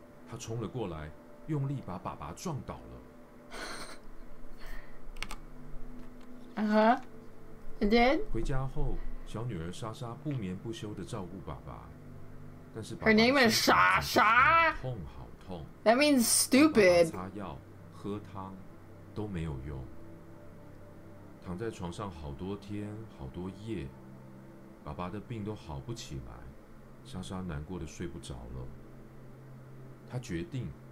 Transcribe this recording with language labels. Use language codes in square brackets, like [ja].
[zh] 他冲了过来，用力把爸爸撞倒了。 [en] I did. [zh] 回家后，小女儿莎莎不眠不休地照顾爸爸，但是爸爸 [en] Her name is 莎莎。 [zh] 好痛，好痛。 [en] That means stupid. [zh] 爸爸擦药、喝汤都没有用。躺在床上好多天好多夜，爸爸的病都好不起来，莎莎难过的睡不着了。他决定。